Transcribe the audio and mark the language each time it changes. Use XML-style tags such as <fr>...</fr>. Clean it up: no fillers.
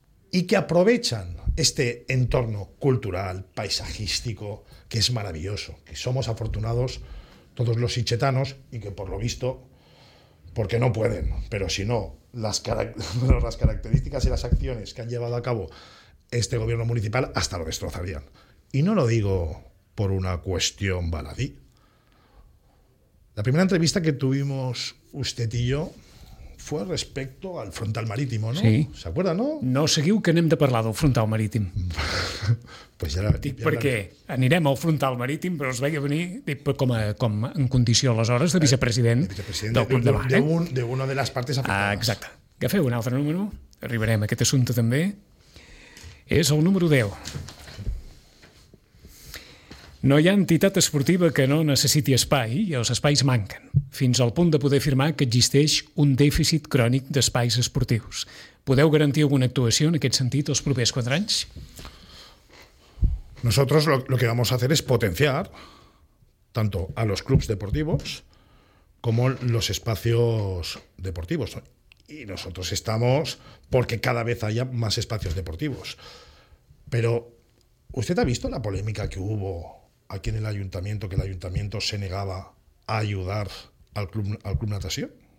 <es>y que aprovechan este entorno cultural, paisajístico, que es maravilloso, que somos afortunados todos los sitchetanos y que por lo visto, porque no pueden, pero si no, las características y las acciones que han llevado a cabo este gobierno municipal hasta lo destrozarían. Y no lo digo por una cuestión baladí. La primera entrevista que tuvimos usted y yo fue respecto al frontal marítimo, ¿no? Sí. ¿Se acuerda, no?</es> <ca>No, seguiu que anem de parlar del frontal marítim.</ca> <es>Pues ja...</es> <ca>Perquè anirem al frontal marítim, però es veia venir com en condició aleshores de vicepresident, del Club</ca> <es>de Mar. De una de les partes afectades.</es> <ca>Ah, exacte. Agafeu un altre número, arribarem a aquest assumpte també. És el número 10. No hi ha entitat esportiva que no necessiti espai i els espais manquen, fins al punt de poder afirmar que existeix un dèficit crònic d'espais esportius. Podeu garantir alguna actuació en aquest sentit els propers 4 anys?</ca> <es>Nosotros lo que vamos a hacer es potenciar tanto a los clubes deportivos como los espacios deportivos. Y nosotros estamos porque cada vez haya más espacios deportivos. Pero, ¿usted ha visto la polémica que hubo aquí en el ayuntamiento, que el ayuntamiento se negaba a ayudar al club natación?</es>